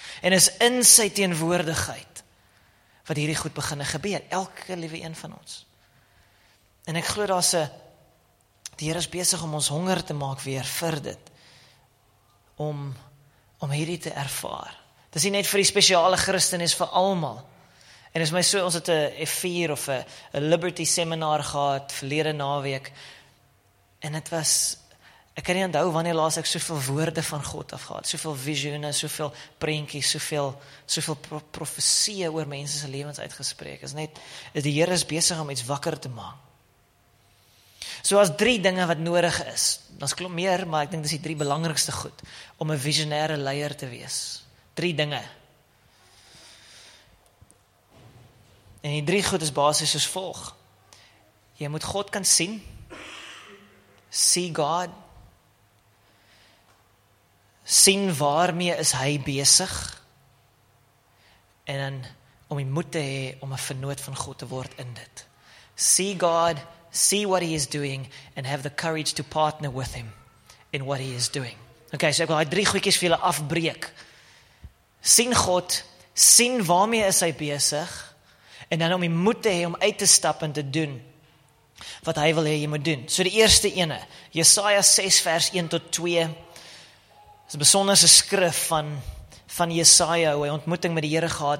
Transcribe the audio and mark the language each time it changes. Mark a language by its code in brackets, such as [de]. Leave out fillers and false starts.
[af] En is in sy teenwoordigheid wat hierdie goed beginne gebeur. Elke liewe een van ons. En ek glo die Here is besig om ons honger te maak weer vir dit. om hierdie te ervaar. Dit is nie net vir die spesiale Christen, is vir almal. En is my so, ons het een F4 of een Liberty seminar gehad, verlede naweek, en het was, ek kan nie onthou wanneer laas ek soveel woorde van God af gehad, soveel visioene, soveel prentjies, soveel profesieë oor mense se lewens uitgespreek, is net, die Here is besig om iets wakker te maak. So as drie dinge wat nodig is, dan is klop meer, maar ek dink dis die drie belangrikste goed, om 'n visionêre leier te wees. Drie dinge. En die drie goed is basis soos volg. Jy moet God kan sien, [en] see God, [af] sien waarmee is hy besig, en dan om die moed te hê om 'n vernoot van God te word in dit. [en] See God, see what he is doing, and have the courage to partner with him in what he is doing. [af] Okay, so ek wil hy drie goedjies vir julle afbreek. Sien God, sien waarmee is hy besig, en dan om die moed te hê om uit te stap en te doen wat hy wil hê jy moet doen. So die eerste ene, Jesaja 6 vers 1 tot 2, is 'n besonderse skrif van Jesaja, hoe hy ontmoeting met die Here gehad.